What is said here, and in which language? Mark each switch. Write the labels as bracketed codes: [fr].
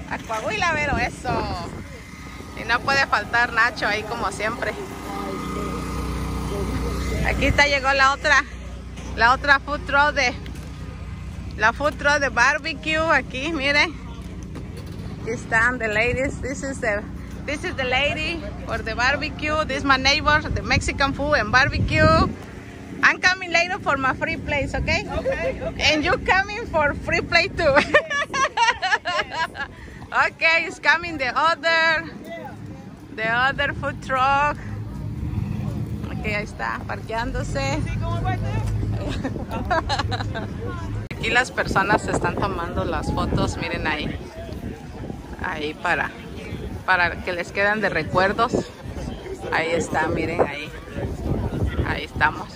[es] A Coahuila, Vero, eso. Y no puede faltar Nacho ahí como siempre. Aquí está, llegó la otra food truck de barbecue aquí, miren. Aquí están [en] the ladies. This is the lady for the barbecue. This is my neighbor, the Mexican food and barbecue. I'm coming later for my free place, okay? Okay, and you coming for free place too. Yes. Okay, it's coming the other food truck. [es] Okay, ahí está, parqueándose. Aquí las personas se están tomando las fotos, miren ahí. Ahí para que les queden de recuerdos. Ahí está, miren ahí. Ahí estamos.